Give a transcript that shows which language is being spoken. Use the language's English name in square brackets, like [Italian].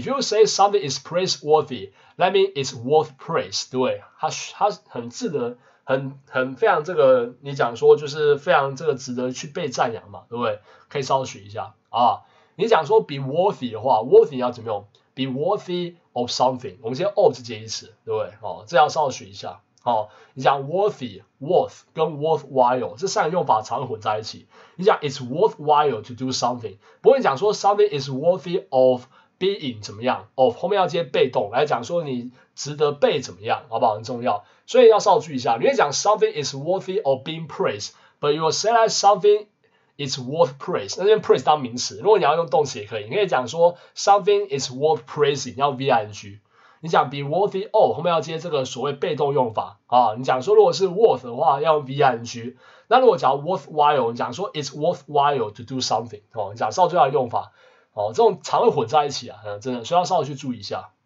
[English] If you say something is praiseworthy, that means it's worth praise, [Chinese] 对不对？它很值得，很非常这个，你讲说就是非常这个值得去被赞扬嘛，对不对？可以稍微学一下啊。你讲说 be worthy 的话， worthy 要怎么用？ be worthy of something， 我们先 of 这一词，对不对？哦，这要稍微学一下。哦，你讲 worthy， worth 跟 worthwhile 这三个用法常混在一起。你讲 [English] it's worthwhile to do something， [Chinese] 不过你讲说 [English] something is worthy of being [Chinese] 怎么样 ？of 后面要接被动来讲说你值得被怎么样，好不好？很重要，所以要稍微注意一下。 [English] 你讲 something is worthy of being praised， but you say that something is worth praise， 那边 praise 当名词， [Chinese] 如果你要用动词也可以，你可以讲说 [English] something is worth praising， 要 ving。 [Chinese] 你讲 be worthy of 后面要接这个所谓被动用法啊，你讲说如果是 worth 的话要 ving， 那如果讲 worthwhile， 你讲说 [English] it's worthwhile to do something [Chinese] 哦，你讲稍微注意用法哦，这种常会混在一起啊，真的，所以要稍微去注意一下。